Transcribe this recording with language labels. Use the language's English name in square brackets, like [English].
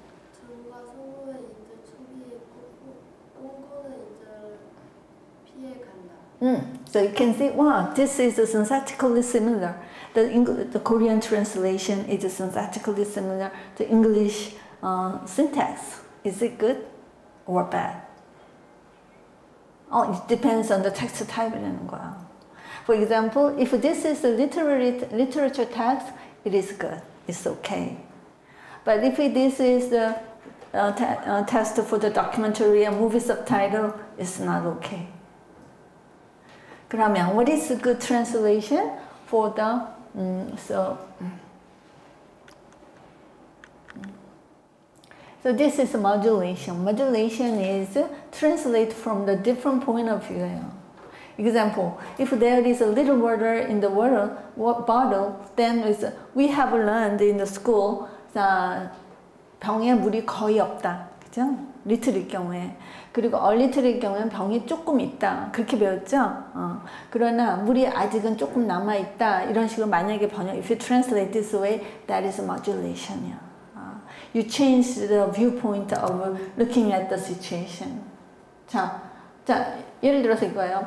[English] 정과 소호의 이제 초기에 꽃거는 이제 피해 간다. So you can see, wow, this is synthetically similar. The Korean translation is synthetically similar to English syntax. Is it good or bad? Oh, it depends on the text type [Korean] 이라는 거야. [English] For example, if this is a literature text, it is good. It's okay. But if this is the text for the documentary and movie subtitle, it's not okay. [Korean] 그러면 [English] what is a good translation for the So this is modulation. Modulation is translate from the different point of view. Example, if there is a little water in the water bottle, then we have learned in the school that [Korean] 병에 물이 거의 없다. 배웠죠? 리틀일 경우에. 그리고 얼리틀일 경우에는 병이 조금 있다. 그렇게 배웠죠? 그러나 물이 아직은 조금 남아있다. 이런 식으로 만약에 번역, [English] if you translate this way, that is modulation. You change the viewpoint of looking at the situation. [Korean] 자, 예를 들어서 이거예요.